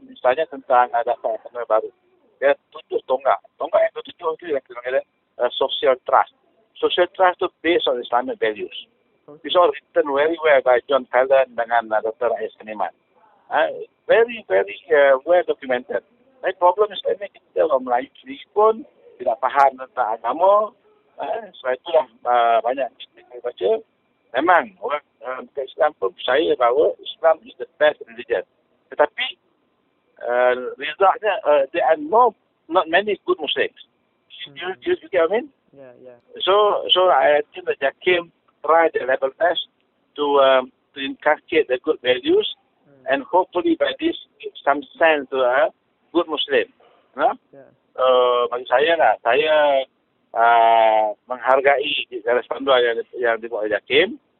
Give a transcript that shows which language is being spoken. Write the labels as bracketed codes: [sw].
[ms] Misalnya tentang adat agama baru. Dia tutup tonggak. Tonggak yang tertutup itu yang kita panggil [en] social trust. Social trust [ms] itu [en] based on Islamic values. It's all written very well by John Fallon [ms] dengan [en] Dr. Ais Kaniman. Very, very well documented. My problem is that [ms] kita orang Melayu sendiri pun tidak faham tentang agama. Sebab itulah banyak kita baca. Memang orang Islam pun percaya bahawa [en] Islam is the best religion. [ms] Tetapi resultnya [en] there are not many good Muslims. You get what I mean? Yeah. So I think that Jakim try the level best to inculcate the good values, and hopefully by this give some sense to a good Muslim. No? Yeah. [ms] Bagi saya lah, saya menghargai garis panduan yang dibuat oleh Jakim.